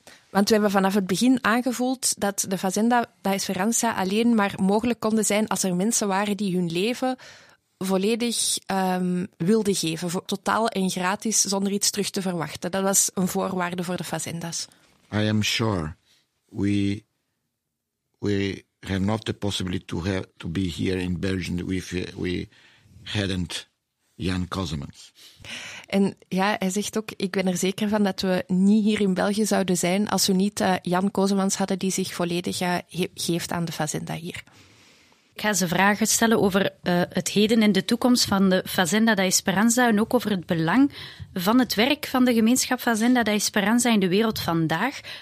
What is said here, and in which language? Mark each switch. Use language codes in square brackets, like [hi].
[nl] Want we hebben vanaf het begin aangevoeld dat de Fazenda da Esperanza alleen maar mogelijk konden zijn als er mensen waren die hun leven volledig wilden geven, totaal en gratis, zonder iets terug te verwachten. Dat was een voorwaarde voor de Fazendas. [en] I am sure we have not the possibility to be here in Belgium if we hadn't Jan Kosemans. [nl] En ja, hij zegt ook, ik ben er zeker van dat we niet hier in België zouden zijn als we niet Jan Kosemans hadden die zich volledig geeft aan de Fazenda hier. Ik ga ze vragen stellen over het heden en de toekomst van de Fazenda da Esperanza en ook over het belang van het werk van de gemeenschap Fazenda da Esperanza in de wereld vandaag.